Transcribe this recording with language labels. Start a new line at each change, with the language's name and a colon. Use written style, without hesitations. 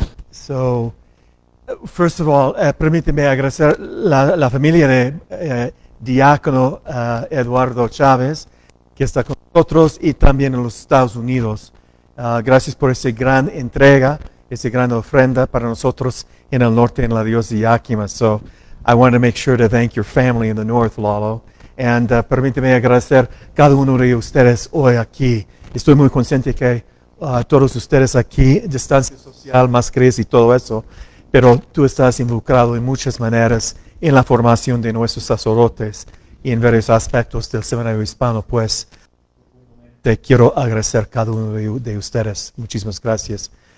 English: So, first of all,
Spanish: permíteme agradecer la familia de Diácono Eduardo Chávez, que está con nosotros y también en los Estados Unidos. Gracias por esa gran entrega, esa gran ofrenda para nosotros en el norte, en la diócesis de Yakima.
English: So, I want to make sure to thank your family in the north, Lalo.
Spanish: And permíteme agradecer cada uno de ustedes hoy aquí. Estoy muy consciente que todos ustedes aquí, distancia social, mascarillas y todo eso, pero tú estás involucrado en muchas maneras en la formación de nuestros sacerdotes y en varios aspectos del Seminario Hispano, pues te quiero agradecer cada uno de ustedes. Muchísimas gracias.